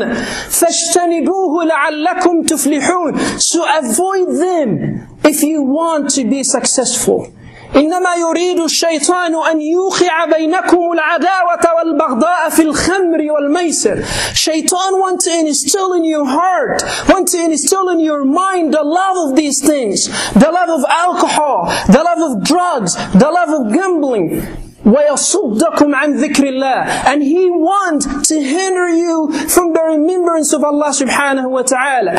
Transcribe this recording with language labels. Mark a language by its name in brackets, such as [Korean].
[Arabic] فَاشْتَنِبُوهُ لَعَلَّكُمْ تُفْلِحُونَ. [English] So avoid them if you want to be successful. [Arabic] إنما يريد الشيطان أن يوقع بينكم العداوة والبغضاء في الخمر والميسر. [English] Shaitan wants to instill in your heart, wants to instill in your mind the love of these things, the love of alcohol, the love of drugs, the love of gambling. [Arabic] وَيَصُدَّكُمْ عَنْ ذِكْرِ اللَّهِ. [English] And he wants to hinder you from the remembrance of Allah subhanahu wa ta'ala.